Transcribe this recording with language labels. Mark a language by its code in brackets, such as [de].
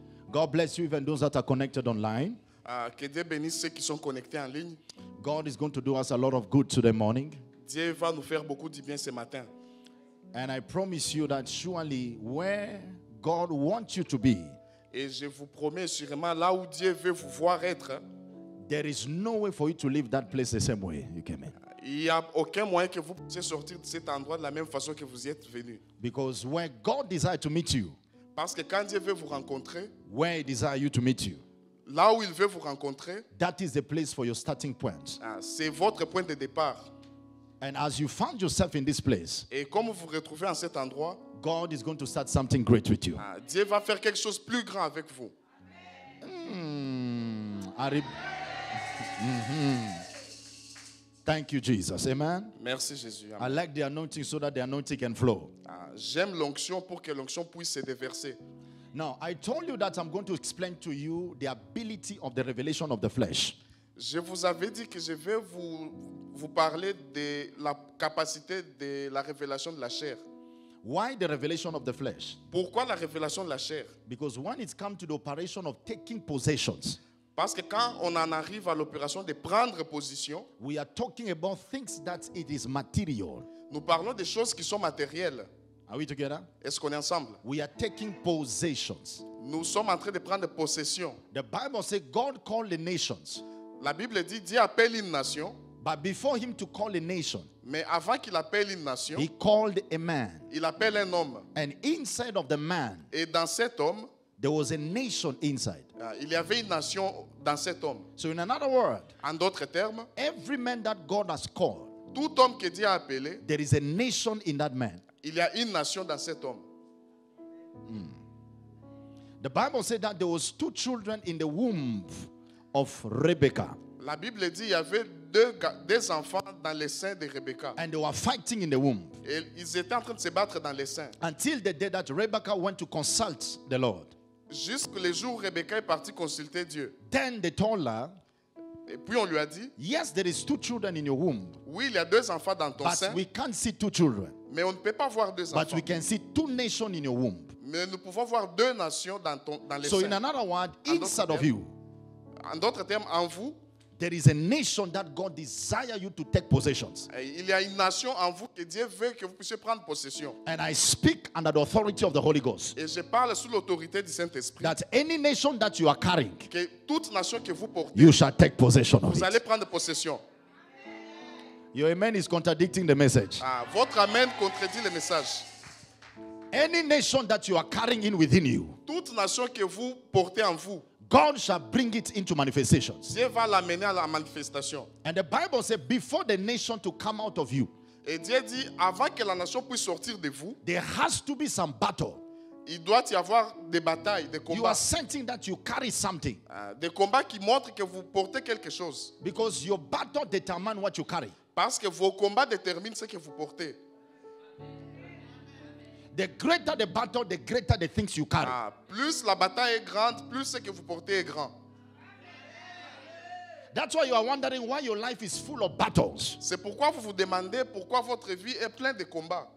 [en] God bless you, even those that are connected online. [fr] Que Dieu bénisse ceux qui sont connectés en ligne. [en] God is going to do us a lot of good today morning. [fr] Dieu va nous faire beaucoup de bien ce matin. [en] And I promise you that surely where God wants you to be, [fr] et je vous promets sûrement là où Dieu veut vous voir être, [en] there is no way for you to leave that place the same way you came in. [fr] Il n'y a aucun moyen que vous puissiez sortir de cet endroit de la même façon que vous y êtes venu. [en] Because where God desires to meet you, [fr] parce que quand Dieu veut vous rencontrer, [en] where he desires you to meet you, [fr] là où il veut vous rencontrer, [en] that is the place for your starting point. [fr] C'est votre point de départ. [en] And as you find yourself in this place, [fr] et comme vous vous retrouvez en cet endroit, [en] God is going to start something great with you. [fr] Dieu va faire quelque chose plus grand avec vous. [en] Thank you, Jesus. Amen. [fr] Merci, Jésus. [en] Amen. I like the anointing so that the anointing can flow. [fr] J'aime l'onction pour que l'onction puisse se déverser. [en] Now, I told you that I'm going to explain to you the ability of the revelation of the flesh. [fr] Je vous avais dit que je vais vous parler de la capacité de la révélation de la chair. [en] Why the revelation of the flesh? [fr] Pourquoi la révélation de la chair? [en] Because when it comes to the operation of taking possessions, [fr] parce que quand on en arrive à l'opération de prendre position, [en] we are talking about things that it is material. [fr] Nous parlons des choses qui sont matérielles. [en] Are we together? [fr] Est-ce qu'on est ensemble? [en] We are taking possessions. [fr] Nous sommes en train de prendre possession. [en] The Bible says God called the nations. [fr] La Bible dit Dieu appelle une nation. [en] But before him to call a nation, [fr] mais avant qu'il appelle une nation, [en] he called a man. [fr] Il appelle un homme. [en] And inside of the man, [fr] et dans cet homme, [en] there was a nation inside. [fr] Il y avait une nation dans cet homme. [en] So in another word, [fr] en d'autres termes, [en] every man that God has called, [fr] tout homme que Dieu a appelé, [en] there is a nation in that man. [fr] Il y a une nation dans cet homme. [en] The Bible said that there was two children in the womb of Rebecca. [fr] La Bible dit il y avait deux enfants dans les seins de Rebecca. [en] And they were fighting in the womb. [fr] Et ils étaient en train de se battre dans les seins. [en] Until the day that Rebecca went to consult the Lord. [fr] Jusque le jour où Rebecca est partie consulter Dieu. [en] Then they told her. [fr] Et puis on lui a dit. [en] Yes, there is two children in your womb. [fr] Oui, il y a deux enfants dans ton [en] but [fr] sein. [en] But we can't see two children. [fr] Mais on ne peut pas voir deux [en] but [fr] enfants. [en] But we can see two nations in your womb. [fr] Mais nous pouvons voir deux nations dans ton dans les [en] so [fr] seins. [en] So in another word, inside of you. [fr] En d'autres termes, en vous, [en] there is a nation that God desires you to take possessions. [fr] Il y a une nation en vous que Dieu veut que vous puissiez prendre possession. [en] And I speak under the authority of the Holy Ghost. [fr] Et je parle sous l'autorité du Saint-Esprit. [en] That any nation that you are carrying, [fr] que toute nation que vous portez, [en] you shall take possession [fr] vous [en] of it. [fr] Allez prendre possession. [en] Your amen is contradicting the message. [fr] Votre amen contredit le message. [en] Any nation that you are carrying in within you, [fr] toute nation que vous portez en vous, [en] God shall bring it into manifestations. [fr] Dieu va l'amener à la manifestation. [en] And the Bible says, before the nation to come out of you, [fr] et Dieu dit, avant que la nation puisse sortir de vous, [en] there has to be some battle. [fr] Il doit y avoir des batailles, des combats. [en] You are sensing that you carry something. [fr] Des combats qui montrent que vous portez quelque chose. [en] Because your battle determines what you carry. [fr] Parce que vos combats déterminent ce que vous portez. [en] The greater the battle, the greater the things you carry. [fr] Plus la bataille est grande, plus ce que vous portez est grand. [en] That's why you are wondering why your life is full of battles. [fr] C'est pourquoi vous vous demandez pourquoi votre vie est pleine de combats.